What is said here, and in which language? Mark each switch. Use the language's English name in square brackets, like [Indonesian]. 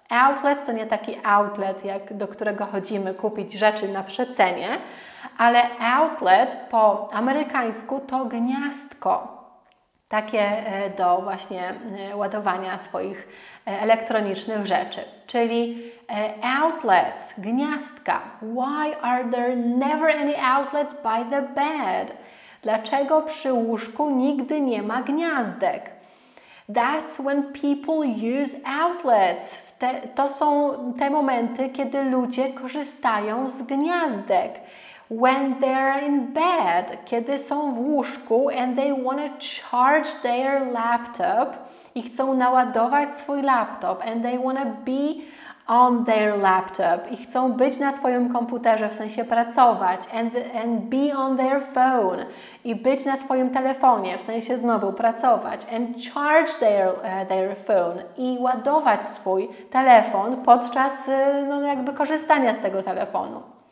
[Polish] Outlets to nie taki outlet, jak do którego chodzimy kupić rzeczy na przecenie, ale outlet po amerykańsku to gniazdko. Takie do właśnie ładowania swoich elektronicznych rzeczy. Czyli outlets, gniazdka. [English] Why are there never any outlets by the bed? [Polish] Dlaczego przy łóżku nigdy nie ma gniazdek? [English] That's when people use outlets. [Polish] To są te momenty, kiedy ludzie korzystają z gniazdek. [English] When they're in bed, [Polish] kiedy są w łóżku [English] and they want to charge their laptop [Polish] i chcą naładować swój laptop [English] and they want to be on their laptop [Polish] i chcą być na swoim komputerze, w sensie pracować [English] and be on their phone [Polish] i być na swoim telefonie, w sensie znowu pracować [English] and charge their phone [Polish] i ładować swój telefon podczas no, jakby korzystania z tego telefonu.